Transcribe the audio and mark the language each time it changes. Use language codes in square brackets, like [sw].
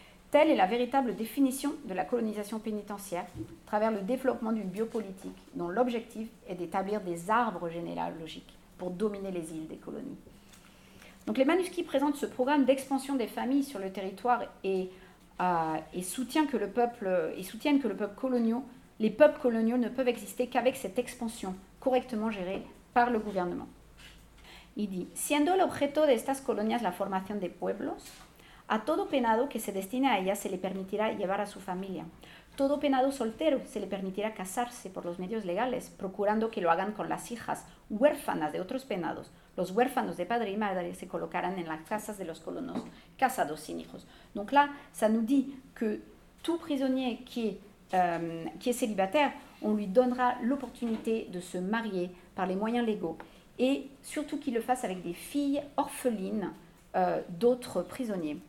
[fr] Telle est la véritable définition de la colonisation pénitentiaire, à travers le développement d'une biopolitique dont l'objectif est d'établir des arbres généalogiques pour dominer les îles des colonies. Donc les manuscrits présentent ce programme d'expansion des familles sur le territoire les peuples coloniaux ne peuvent exister qu'avec cette expansion correctement gérée par le gouvernement. Il dit [es] « Siendo el objeto de estas colonias la formación de pueblos, a todo penado que se destine a ella se le permitirá llevar a su familia. Todo penado soltero se le permitirá casarse por los medios legales, procurando que lo hagan con las hijas huérfanas de otros penados. Los huérfanos de padre y madre se colocarán en las casas de los colonos casados sin hijos. [fr] » Donc là, ça nous dit que tout prisonnier qui est célibataire, on lui donnera l'opportunité de se marier par les moyens légaux. Et surtout qu'il le fasse avec des filles orphelines d'autres prisonniers.